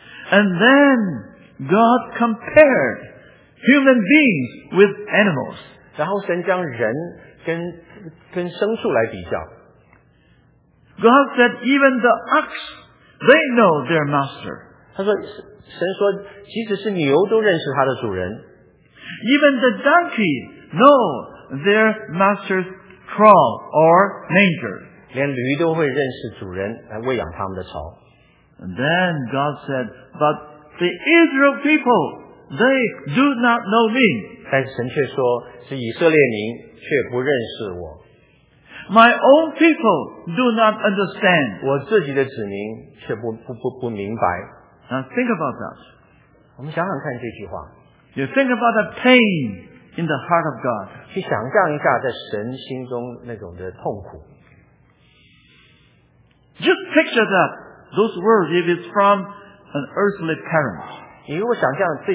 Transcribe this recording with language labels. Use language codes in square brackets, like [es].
[en] And then God compared human beings with animals. [zh] 然后神将人跟牲畜来比较。 [en] God said, even the ox, they know their master. [zh] 神说，即使是牛都认识他的主人。 [en] Even the donkey know their master's trough or manger. [zh] 连驴都会认识主人，来喂养他们的槽。 [en] And then God said, But the Israel people, they do not know me. [zh] 但神却说，是以色列民却不认识我。 [en] My own people do not understand. [zh] 我自己的子民却不明白。 [en] Now think about that. [zh] 我们想想看这句话。 [en] You think about the pain in the heart of God. [zh] 去想象一下在神心中那种的痛苦。 [en] Just picture that, those words, if it's from an earthly parent.